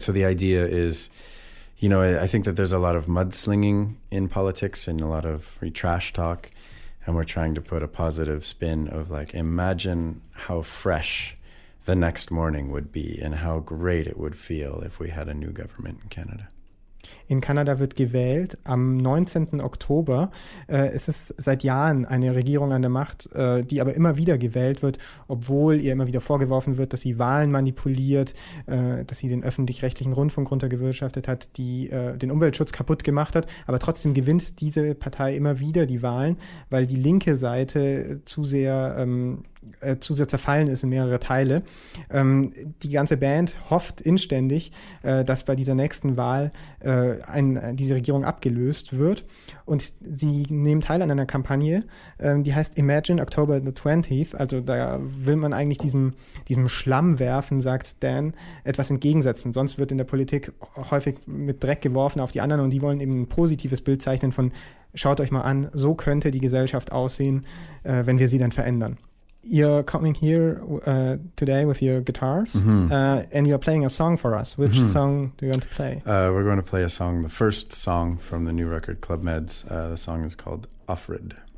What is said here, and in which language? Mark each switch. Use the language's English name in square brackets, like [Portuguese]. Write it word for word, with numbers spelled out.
[English] So the idea is, you know, I, I think that there's a lot of mudslinging in politics and a lot of trash talk, and we're trying to put a positive spin of like, imagine how fresh the next morning would be and how great it would feel if we had a new government in Canada. [German] In Kanada wird gewählt am neunzehnten Oktober. Äh, es ist seit Jahren eine Regierung an der Macht, äh, die aber immer wieder gewählt wird, obwohl ihr immer wieder vorgeworfen wird, dass sie Wahlen manipuliert, äh, dass sie den öffentlich-rechtlichen Rundfunk runtergewirtschaftet hat, die äh, den Umweltschutz kaputt gemacht hat. Aber trotzdem gewinnt diese Partei immer wieder die Wahlen, weil die linke Seite zu sehr... Ähm, Äh, zu sehr zerfallen ist in mehrere Teile. Ähm, die ganze Band hofft inständig, äh, dass bei dieser nächsten Wahl äh, ein, diese Regierung abgelöst wird. Und sie nehmen teil an einer Kampagne, äh, die heißt Imagine October the twentieth. Also da will man eigentlich diesem, diesem Schlamm werfen, sagt Dan, etwas entgegensetzen. Sonst wird in der Politik häufig mit Dreck geworfen auf die anderen, und die wollen eben ein positives Bild zeichnen von, schaut euch mal an, so könnte die Gesellschaft aussehen, äh, wenn wir sie dann verändern. [English] You're coming here uh, today with your guitars, mm-hmm. uh, and you're playing a song for us. Which mm-hmm. song do you want to play? Uh, we're going to play a song, the first song from the new record, Club Meds. Uh, the song is called Offrid.